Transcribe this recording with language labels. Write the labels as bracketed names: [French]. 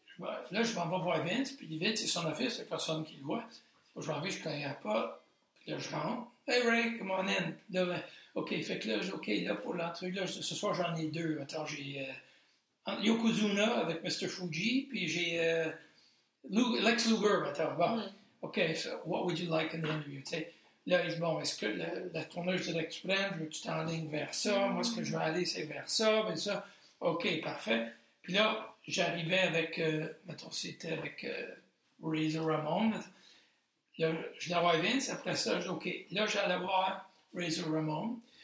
[French] Là, je m'en vais voir Vince, puis Vince, c'est son office, c'est personne qui le voit. Je m'en vais, je connais pas. Puis là, je rentre. Hey, Ray, come on in. Là, ben, OK, fait que là, OK, là, pour l'entrevue, là, ce soir, j'en ai deux. Attends, j'ai Yokozuna avec Mr. Fuji, puis j'ai Lex Luger. Attends, bon. [English] OK, so, what would you like in the interview, tu sais? [French] Là, il dit, bon, est-ce que la tournure, je dirais que tu prennes, je veux que tu t'enlignes vers ça, moi, ce que je veux aller, c'est vers ça, ben ça, OK, parfait. Puis là, j'arrivais avec, mettons, c'était avec Razor Ramon. Là, je l'ai voir Vince, après ça, je dis, OK, là, j'allais voir Razor Ramon.